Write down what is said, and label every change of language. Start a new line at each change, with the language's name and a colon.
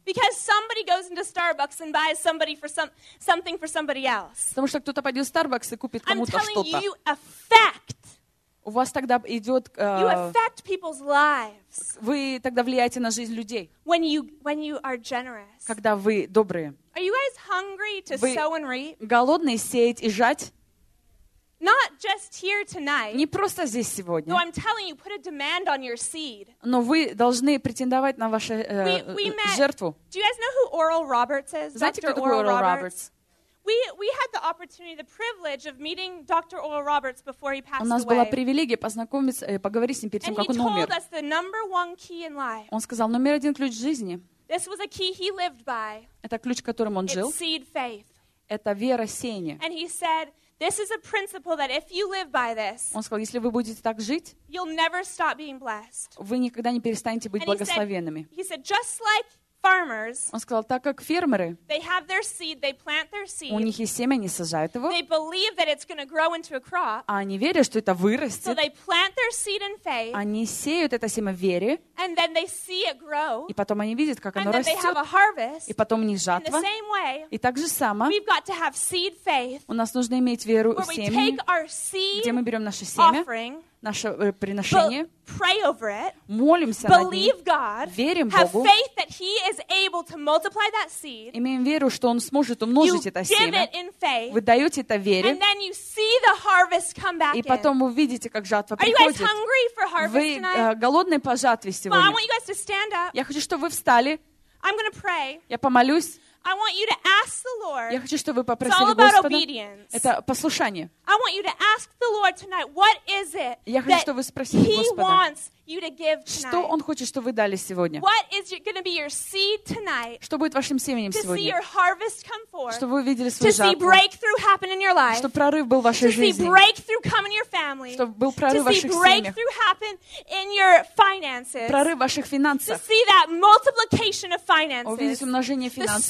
English: Because somebody goes into Starbucks and buys somebody for something for somebody else.
Russian: Потому что кто-то пойдет в Starbucks и купит кому-то что-то.
English: I'm telling you, effect.
Russian: У вас тогда идет.
English: You affect people's lives.
Russian: Вы тогда влияете на жизнь людей.
English: When you are generous.
Russian: Когда вы добрые.
English: Are you guys hungry to sow and reap?
Russian: Голодные сеять и жать?
English: Not just here tonight.
Russian: Не просто здесь сегодня.
English: No, I'm telling you, put a demand on your seed.
Russian: Но вы должны претендовать на ваше жертву.
English: Do you guys know who Oral Roberts is?
Russian: Знаете, кто такой Oral Roberts?
English: We had the opportunity, the privilege of meeting Dr. Oral Roberts before he passed away.
Russian: У нас была привилегия познакомиться, поговорить с ним перед тем, как он умер.
English: And he told us the number one key in life.
Russian: Он сказал, номер один ключ жизни.
English: This was a key he lived by.
Russian: Это ключ, которым он жил.
English: It's seed faith.
Russian: Это вера сеяния.
English: And he said. This is a principle that if you live by this,
Russian: Он сказал, если вы будете так жить,
English: you'll never stop being blessed.
Russian: Вы никогда не перестанете быть
English: And
Russian: благословенными.
English: He said, just like farmers,
Russian: он сказал, так как фермеры,
English: they have their seed, they plant their seed,
Russian: у них есть семя, они сажают его,
English: they believe that it's going to grow into a crop,
Russian: а они верят, что это вырастет,
English: so they plant their seed in faith,
Russian: они сеют это семя в вере,
English: and then they see it grow,
Russian: и потом они видят, как
English: and
Russian: оно растет,
English: they have a harvest,
Russian: и потом у них жатва,
English: in the same way,
Russian: и так же само,
English: we've got to have seed faith,
Russian: у нас нужно иметь веру в семя,
English: where we take our seed,
Russian: где мы берем наше семя,
English: offering,
Russian: наше приношение,
English: pray over it,
Russian: молимся
English: believe
Russian: над ним,
English: God,
Russian: верим
English: have
Russian: Богу,
English: faith that he is able to multiply that seed,
Russian: имеем веру, что он сможет умножить
English: you
Russian: это
English: give
Russian: семя,
English: it in faith,
Russian: вы даете это вере,
English: and then you see the harvest come back
Russian: и потом вы видите, как жатва
English: are
Russian: приходит.
English: You guys hungry for harvest
Russian: вы
English: tonight?
Russian: Голодны по жатве сегодня?
English: Well, I want you guys to stand up.
Russian: Я хочу, чтобы вы встали.
English: I'm gonna pray.
Russian: Я помолюсь.
English: I want you to ask the Lord.
Russian: Я хочу, чтобы вы попросили Господа. Это послушание.
English: I want you to ask the Lord tonight, what is it that He wants you to give tonight?
Russian: Что Он хочет, чтобы вы дали сегодня?
English: What is going to be your seed tonight?
Russian: Что будет вашим семенем сегодня?
English: To see your harvest come forth.
Russian: Чтобы вы видели свою жатву.
English: To see breakthrough happen in your life.
Russian: Чтобы прорыв был в вашей жизни.
English: To see breakthrough come in your family.
Russian: Чтобы был прорыв в ваших семьях.
English: To see breakthrough happen in your finances.
Russian: Прорыв в ваших финансах.
English: To see that multiplication of finances.
Russian: Увидеть умножение финансов.